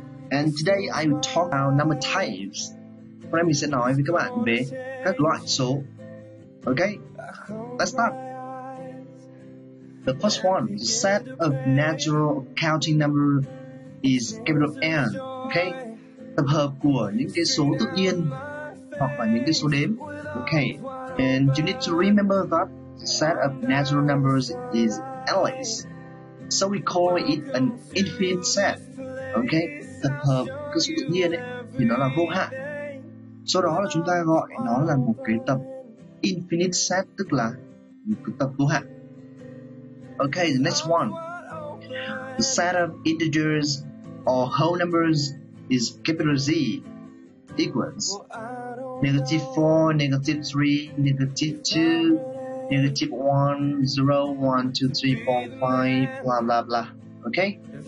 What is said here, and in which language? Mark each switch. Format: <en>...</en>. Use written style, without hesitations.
<en>And today I will talk about number types.</en> <vi>Hôm nay mình sẽ nói với các bạn về các loại số.</vi> <en>Okay, let's start. The first one, the set of natural counting number is capital N.</en> <vi>Okay, tập hợp của những cái số tự nhiên hoặc là những cái số đếm.</vi> <en>Okay. And you need to remember that the set of natural numbers is endless. So we call it an infinite set. Okay?</en> <vi>Tập hợp các số tự nhiên ấy, thì nó là vô hạn. Sau đó là chúng ta gọi nó là một cái tập</vi> <en>infinite set,</en> <vi>tức là một cái tập vô hạn.</vi> <en>Okay, the next one. The set of integers or whole numbers is capital Z equals negative 4, negative 3, negative 2, negative 1, 0, 1, 2, 3, 4, 5, blah, blah, blah. Okay?</en>